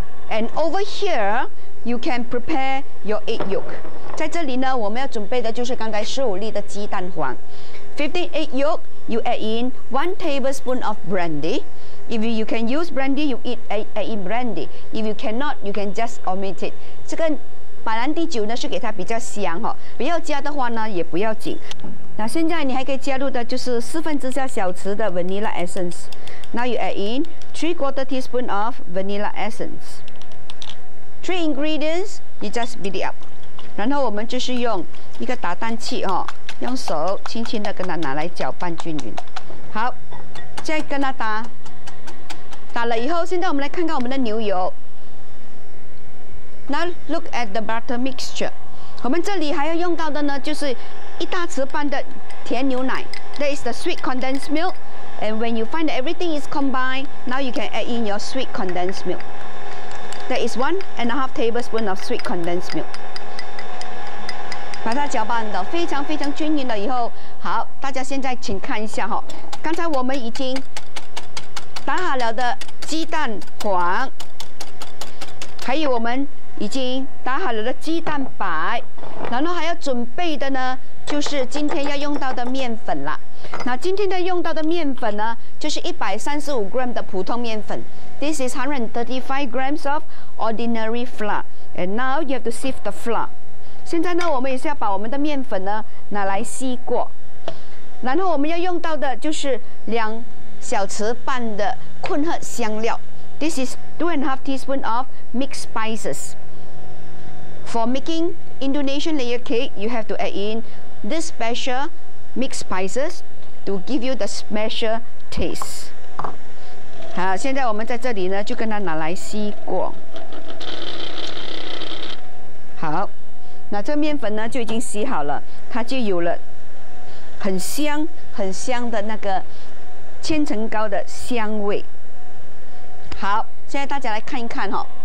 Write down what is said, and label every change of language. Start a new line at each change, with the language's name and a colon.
English: And over here, you can prepare your egg yolk.
Chinese: 在这里呢，我们要准备的就是刚才15粒的鸡蛋黄 ，
English: 15 egg yolk. You add in 1 tablespoon of brandy. If you can use brandy, you eat brandy. If you cannot, you can just omit it.
Chinese: 这个白兰地酒呢是给它比较香哈、哦，不要加的话呢也不要紧。那现在你还可以加入的就是1/4 小匙的 vanilla essence.
English: Now you add in 3/4 teaspoon of vanilla essence. Three ingredients, you just beat it up.
Chinese: 然后我们就是用一个打蛋器哈、哦，用手轻轻的跟它拿来搅拌均匀。好，再跟它打。打了以后，现在我们来看看我们的牛油。
English: Now look at the butter mixture。
Chinese: 我们这里还要用到的呢，就是一大匙半的甜牛奶 ，
English: that is the sweet condensed milk。 And when you find that everything is combined, now you can add in your sweet condensed milk. That is 1.5 tablespoons of sweet condensed milk。
Chinese: 把它搅拌的非常非常均匀了以后，好，大家现在请看一下哈、哦，刚才我们已经。打好了的鸡蛋黄，还有我们已经打好了的鸡蛋白，然后还要准备的呢，就是今天要用到的面粉了。那今天的用到的面粉呢，就是135 gram 的普通面粉。
English: This is 135 grams of ordinary flour. And now you have to sift the flour.
Chinese: 现在呢，我们也是要把我们的面粉呢拿来吸过，然后我们要用到的就是2小匙半的混合香料 ，
English: This is 2.5 teaspoon of mixed spices. For making Indonesian layer cake, you have to add in this special mixed spices to give you the special taste.
Chinese: 好，现在我们在这里呢，就跟它拿来吸过。好，那这面粉呢就已经吸好了，它就有了很香很香的那个。千层糕的香味。好，现在大家来看一看哈、哦。